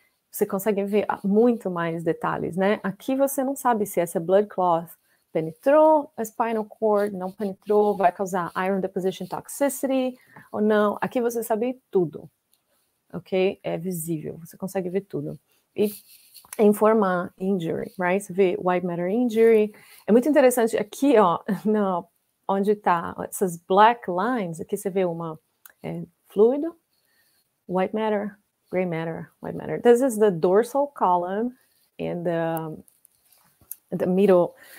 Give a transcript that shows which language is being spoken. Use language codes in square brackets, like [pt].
[pt] Você consegue ver muito mais detalhes, né? Aqui você não sabe se essa blood clot penetrou a spinal cord, não penetrou, vai causar iron deposition toxicity ou não. Aqui você sabe tudo, ok? É visível, você consegue ver tudo. E informar injury, right? Você vê white matter injury. É muito interessante aqui, ó, onde tá essas black lines, aqui você vê uma fluido, white matter, gray matter, white matter. [en] This is the dorsal column and the middle.